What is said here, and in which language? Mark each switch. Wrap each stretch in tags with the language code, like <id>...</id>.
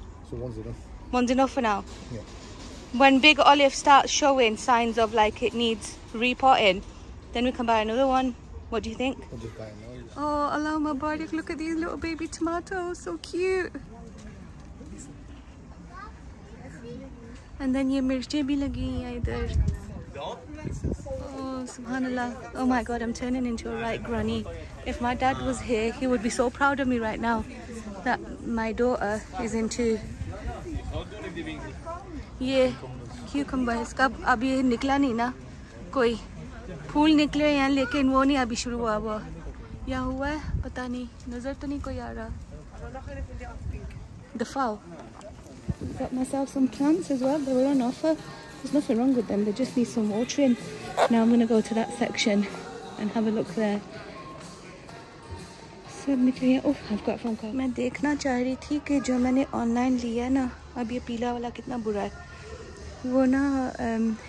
<en>So one's enough. One's enough for now. Yeah. When big olive starts showing signs of like it needs repotting, then we can buy another one. What do you think? I'll just buy another. Oh, allow my body. Look at these little baby tomatoes. So cute. And then</en> <hi>ये मिर्चे भी लगी है इधर.</hi> <en>Oh, subhanallah. Oh my god, I'm turning into a right granny. If my dad was here, he would be so proud of me right now that my daughter is into. Yeah, cucumber.</en> <hi>इसका अभी निकला नहीं ना कोई. फूल निकले हैं लेकिन वो नहीं अभी शुरू हुआ. या हुआ है पता नहीं, नज़र तो नहीं कोई आ रहा.</hi> <en>The fowl. Got myself some plants as well. They were on offer. There's nothing wrong with them, they just need some watering. Now I'm gonna go to that section and have a look there. Oh, I've got a phone call. I wanted to see that what I bought online, now this</en> <hi>पीला वाला कितना बुरा है.</hi>